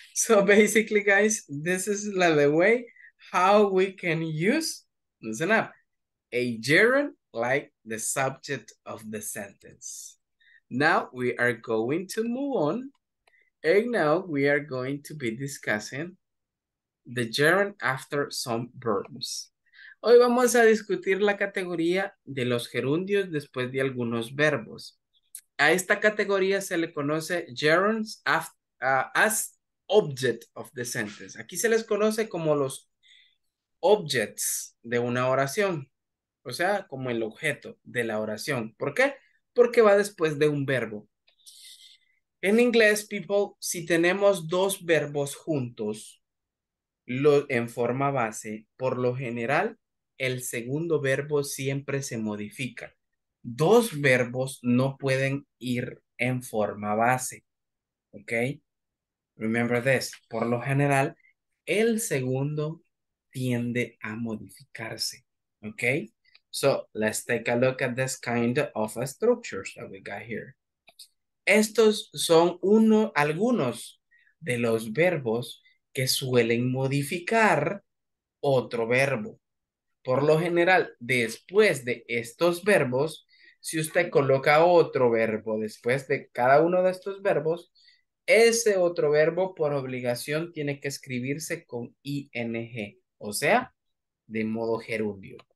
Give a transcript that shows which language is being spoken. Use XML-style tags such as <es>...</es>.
<en>So basically, guys, this is the way how we can use, listen up, a gerund like the subject of the sentence. Now we are going to move on. And now we are going to be discussing the gerund after some verbs.</en> <es>Hoy vamos a discutir la categoría de los gerundios después de algunos verbos. A esta categoría se le conoce</es> <en>gerunds as object of the sentence.</en> <es>Aquí se les conoce como los objects de una oración, o sea, como el objeto de la oración. ¿Por qué? Porque va después de un verbo. En inglés, people, si tenemos dos verbos juntos, en forma base, por lo general, el segundo verbo siempre se modifica. Dos verbos no pueden ir en forma base. ¿Ok?</es> <en>Remember this.</en> <es>Por lo general, el segundo tiende a modificarse. ¿Ok?</es> <en>So let's take a look at this kind of structures that we got here.</en> <es>Estos son algunos de los verbos que suelen modificar otro verbo. Por lo general, después de estos verbos, si usted coloca otro verbo después de cada uno de estos verbos, ese otro verbo por obligación tiene que escribirse con ing, o sea, de modo gerundio.</es>